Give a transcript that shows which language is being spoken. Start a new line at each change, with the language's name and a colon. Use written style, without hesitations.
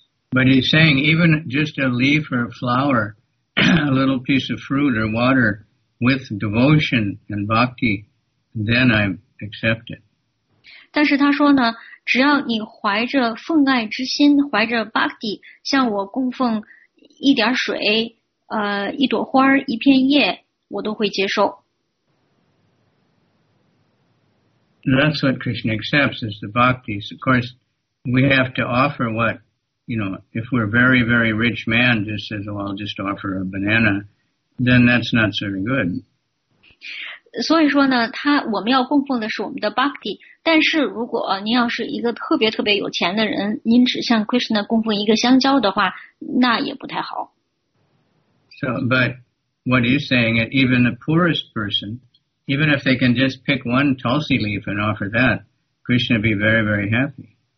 English: But he's saying even just a leaf or a flower, a little piece of fruit or water with devotion and bhakti, then I accept it.
Chinese: 但是他说呢，只要你怀着奉爱之心，怀着 bhakti， 向我供奉一点水，一朵花，一片叶，我都会接受。
English: That's what Krishna accepts is the bhakti. Of course, we have to offer what, you know, if we're a very, very rich man, just says, well, I'll just offer a banana, then that's not so good.
Chinese: 所以说呢，我们要供奉的是我们的 bhakti。但是如果您要是一个特别特别有钱的人，您只向 Krishna 供奉一个香蕉的话，那也不太好。
English: So, but what are you saying? Even the poorest person, even if they can just pick one tulsi leaf and offer that, Krishna would be very, very happy.